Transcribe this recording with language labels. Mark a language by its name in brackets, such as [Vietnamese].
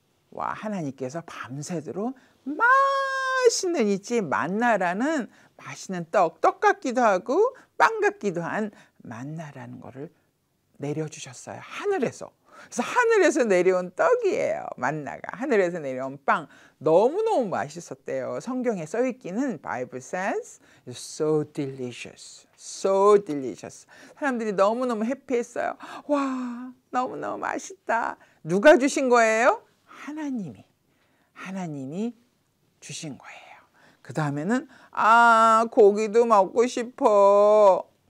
[Korean] 와, 하나님께서 밤새도록 맛있는 있지 만나라는 맛있는 떡 같기도 하고 빵 같기도 한 만나라는 거를 내려주셨어요. 하늘에서. 그래서 하늘에서 내려온 떡이에요. 만나가. 하늘에서 내려온 빵. 너무너무 맛있었대요. 성경에 써있기는 [English] Bible says so delicious. So delicious. [Korean] 사람들이 너무너무 해피했어요. 와, 너무너무 맛있다. 누가 주신 거예요? 하나님이. 하나님이 주신 거예요. 그 다음에는 고기도 먹고 싶어.